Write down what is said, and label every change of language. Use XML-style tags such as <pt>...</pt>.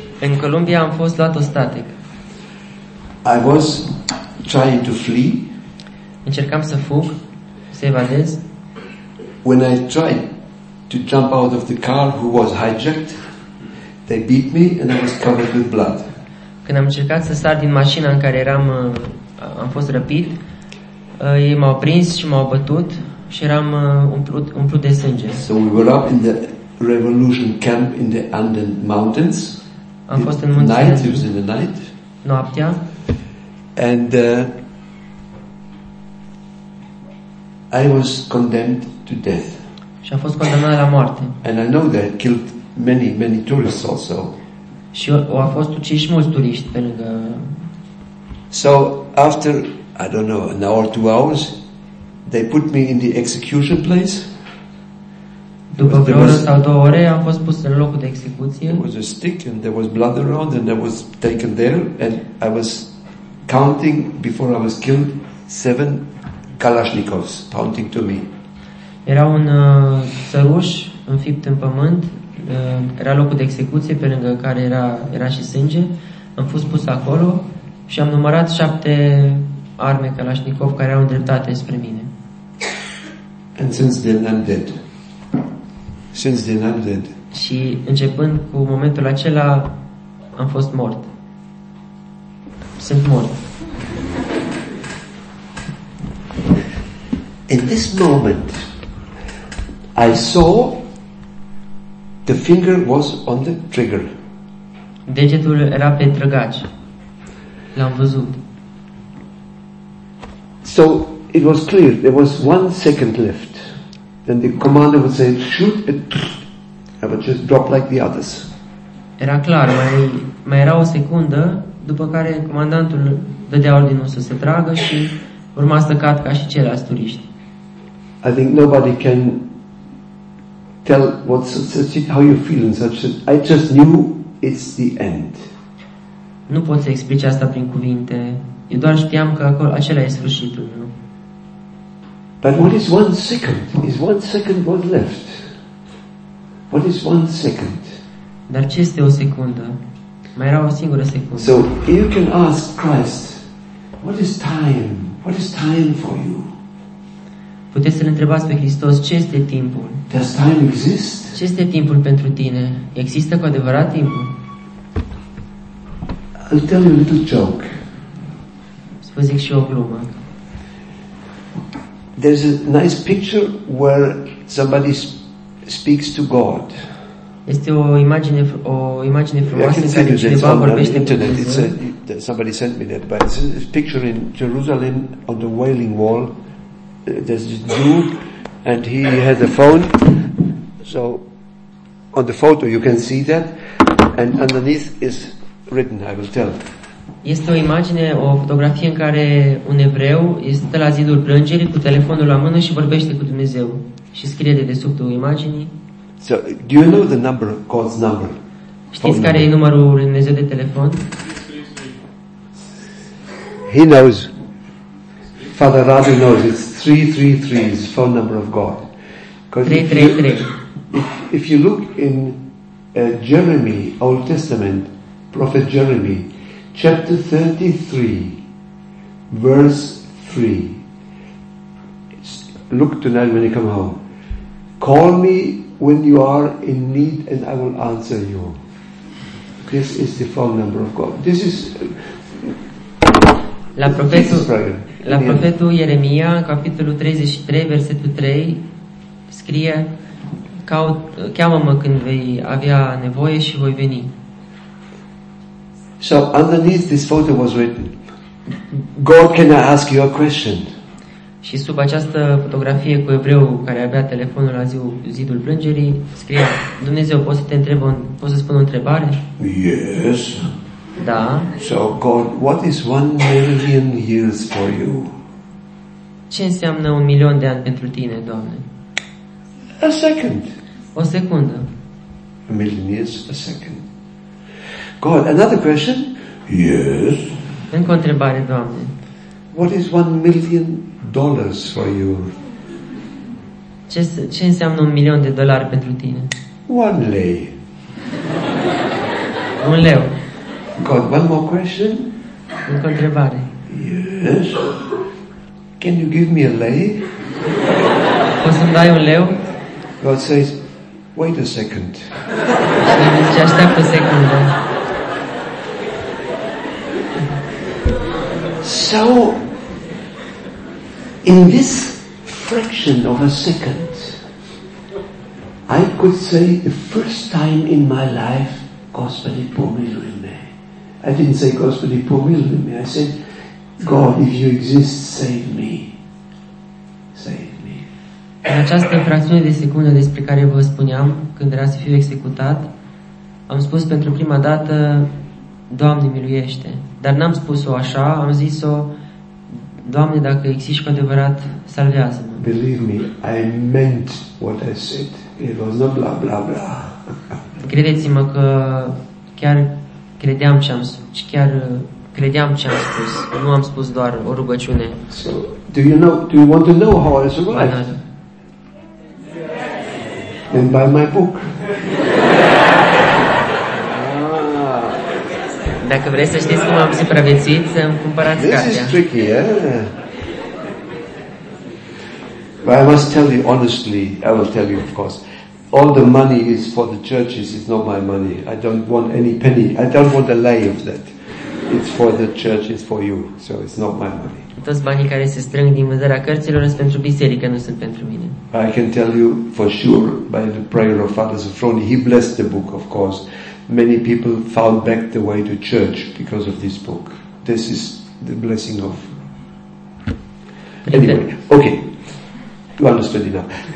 <ro>În Colombia am fost luat ostatic.</ro> <en>I was trying to flee.</en> <ro>Încercam să fug, să evadez.</ro> <en>When I tried to jump out of the car who was hijacked, they beat me and I was covered with blood.</en> <ro>Când am încercat să sar din mașina în care eram, am fost răpit, ei m-au prins și m-au bătut și eram umplut de sânge.</ro> <en>So we were up in the revolution camp in the Andean mountains.</en> <ro>Am fost în munții.</ro> <en>Night, it was in the night.</en> <ro>Noaptea.</ro> <en>And I was condemned to death.</en> <ro>Și am fost condamnat la moarte.</ro> <en>And I know they killed many, many tourists also.</en> <ro>Și au fost uciși mulți turiști pe lângă.</ro> <en>So after, I don't know, an hour, 2 hours, they put me in the execution place.</en> <ro>După vreo oră sau 2 ore am fost pus în locul de execuție.</ro> <en>There was a stick and there was blood around and I was taken there and I was counting before I was killed 7 Kalashnikovs pointing to me.</en> <ro>Era un săruș înfipt în pământ, era locul de execuție pe lângă care era și sânge. Am fost pus acolo și am numărat 7 arme Kalashnikov care erau îndreptate spre mine.</ro> <en>And since then I'm dead. Since then I'm dead.</en> <ro>Și începând cu momentul acela am fost mort. Sunt mort.</ro> <en>In this moment I saw the finger was on the trigger.</en> <ro>Degetul era pe trăgaci. L-am văzut.</ro> <en>So it was clear there was 1 second left. Then the commander would say shoot it. I would just drop like the others.</en> <ro>Era clar, mai era o secundă după care comandantul dădea ordinul să se tragă și urma să cad ca și ceilalți turiști.</ro> <en>I think nobody can tell what's how you feel in such a, I just knew it's the end.</en> <ro>Nu pot să explic asta prin cuvinte. Eu doar știam că acolo acela e sfârșitul meu.</ro> <en>But what is 1 second? Is 1 second what left? What is 1 second?</en> <ro>Dar ce este o secundă? Mai era o singură secundă.</ro> <en>So you can ask Christ, what is time? What is time for you?</en> <ro>Puteți să-L întrebați pe Hristos, ce este timpul?</ro> <en>Does time exist?</en> <ro>Ce este timpul pentru tine? Există cu adevărat timpul?</ro> <en>I'll tell you a little joke.</en> <ro>Vă zic și o glumă.</ro> <en>There's a nice picture where somebody speaks to God.</en> <ro>Este o imagine frumoasă în care cineva vorbește cu Dumnezeu.</ro> <en>Somebody sent me that, but it's a picture in Jerusalem on the Wailing Wall. There's this Jew and he has a phone, so on the photo you can see that, and underneath is written, I will tell.</en> <ro>Este o imagine, o fotografie în care un evreu este la zidul plângerii cu telefonul la mână și vorbește cu Dumnezeu și scrie de desubtul imaginii.</ro> <en>So, do you know the number, God's number?</en> <ro>Știți care e numărul lui Dumnezeu de telefon?</ro> <en>He knows. Father Radu knows it's 333, the phone number of God. 333. If you look in Jeremy, Old Testament, Prophet Jeremy, chapter 33, verse 3. Look tonight when you come home. Call me when you are in need and I will answer you. This is the phone number of God. This is...</en> <ro>La profetul, la profetul Ieremia, în capitolul 33, versetul 3, scrie: cheamă-mă când vei avea nevoie și voi veni.</ro> <en>So underneath this photo was written, God, can I ask you a question?</en> <ro>Și sub această fotografie cu evreu care avea telefonul la zidul plângerii, scrie: Dumnezeu, pot să spun o întrebare?</ro> <en>Yes.</en> <ro>Da.</ro> <en>So God, what is 1 million years for you?</en> <ro>Ce înseamnă 1 milion de ani pentru tine, Doamne?</ro> <en>A second.</en> <ro>O secundă.</ro> <en>1 million years, a second. God, another question? Yes.</en> <ro>Încă o întrebare, Doamne.</ro> <en>What is $1 million for you?</en> <ro>Ce înseamnă $1 million pentru tine?</ro> <en>1 lei.</en> <ro>1 leu.</ro> <en>God, one more question?</en> <ro>Încă o întrebare.</ro> <en>Yes. Can you give me a lei?</en> <ro>Poți să-mi dai un leu?</ro> <en>God says, wait a second.</en> <ro>Zice, așteaptă o secundă.</ro> <en>So, in this fraction of a second, I could say the first time in my life,</en> <cu>Gospodi pomilu in me.</cu> <en>I didn't say</en> <cu>Gospodi pomilu in me,</cu> <en>I said, God, if you exist, save me. Save me.</en> <ro>În această fracțiune de secundă despre care vă spuneam, când era să fiu executat, am spus pentru prima dată, Doamne, miluiește. Dar n-am spus-o așa, am zis-o, Doamne, dacă existi cu adevărat, salvează-mă.</ro> <en>Believe me, I meant what I said. It was not blah, blah, blah.</en> <ro>Credeți-mă că chiar credeam ce am spus, chiar credeam ce am spus. Nu am spus doar o rugăciune.</ro> <en>So, do you want to know how I survived? Then buy my book.</en> <ro>Dacă vreți să știți cum am supraviețuit, să îmi cumpărați cartea.</ro> <en>This is tricky, yeah? But I must tell you honestly, I will tell you of course, all the money is for the churches, it's not my money. I don't want any penny, I don't want a lei of that. It's for the church, it's for you, so it's not my money.</en> <ro>Toți banii care se strâng din vânzarea cărților sunt pentru biserică, nu sunt pentru mine.</ro> <en>I can tell you for sure, by the prayer of Father Sofroni, he blessed the book, of course. Many people found back the way to church because of this book. This is the blessing of... Anyway, okay. You understood enough.</en>